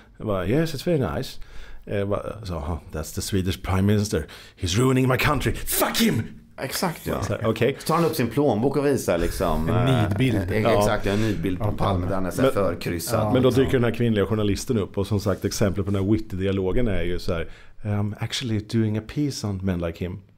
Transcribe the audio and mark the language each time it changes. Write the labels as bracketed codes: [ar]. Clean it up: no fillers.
[sv] Jag bara, [en] yes, it's very nice. [sv] Så, [en] that's the Swedish prime minister, he's ruining my country, fuck him. [sv] Exakt, ja. Så, okay. Så tar han upp sin plånbok och visar liksom, en nidbild. Exakt, en nidbild på Palme där han är förkryssad. Men då dyker den här kvinnliga journalisten upp, och som sagt, exempel på den här witty-dialogen är ju så här, [en] I'm actually doing a piece on men like him.